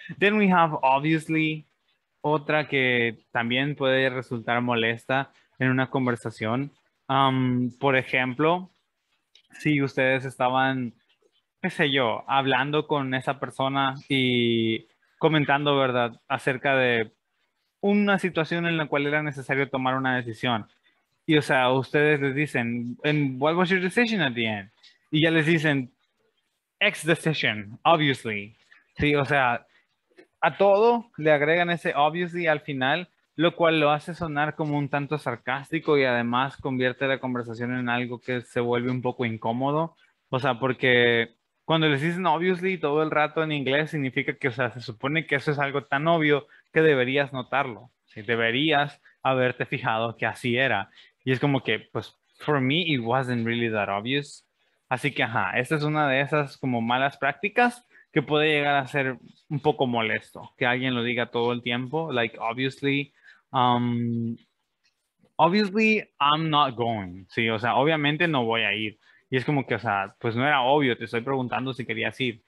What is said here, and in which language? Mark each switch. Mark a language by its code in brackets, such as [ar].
[en] Then we have obviously, [es] otra que también puede resultar molesta en una conversación. Por ejemplo, si ustedes estaban, qué sé yo, hablando con esa persona y comentando, ¿verdad?, acerca de una situación en la cual era necesario tomar una decisión. Y, o sea, ustedes les dicen, [en] and what was your decision at the end? [es] Y ya les dicen, X decision, obviously. Sí, o sea, a todo le agregan ese obviously al final, lo cual lo hace sonar como un tanto sarcástico y además convierte la conversación en algo que se vuelve un poco incómodo. O sea, porque cuando les dicen obviously todo el rato en inglés, significa que, o sea, se supone que eso es algo tan obvio que deberías notarlo. Sí, deberías haberte fijado que así era. Y es como que, pues, [en] for me, it wasn't really that obvious. [es] Así que, ajá, esta es una de esas como malas prácticas que puede llegar a ser un poco molesto. Que alguien lo diga todo el tiempo, [en] like, obviously, obviously, I'm not going. [es] Sí, o sea, obviamente no voy a ir. Y es como que, o sea, pues no era obvio, te estoy preguntando si querías ir.